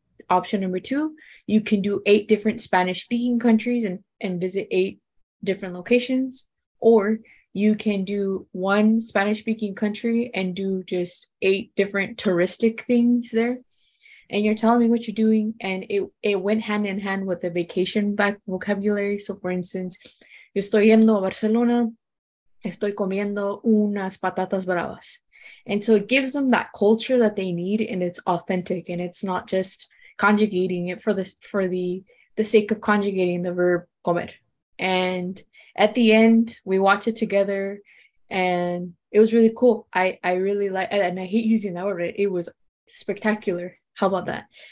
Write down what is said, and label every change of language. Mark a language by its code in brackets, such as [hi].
[en] Option number two, you can do 8 different Spanish speaking countries and visit 8 different locations, or you can do one Spanish speaking country and do just 8 different touristic things there. And you're telling me what you're doing. And it went hand in hand with the vacation back vocabulary. So for instance, [es] yo estoy yendo a Barcelona, estoy comiendo unas patatas bravas. [en] And so it gives them that culture that they need, and it's authentic, and it's not just conjugating it for the sake of conjugating the verb comer. And at the end, we watch it together, and it was really cool. I really like, and I hate using that word, but it was spectacular. How about that?